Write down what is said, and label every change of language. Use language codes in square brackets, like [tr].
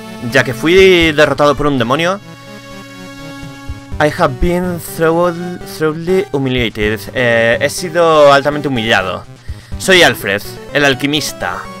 [es] Ya que fui derrotado por un demonio. [en] I have been thoroughly humiliated. [es] He sido altamente humillado. Soy Alfred, el alquimista.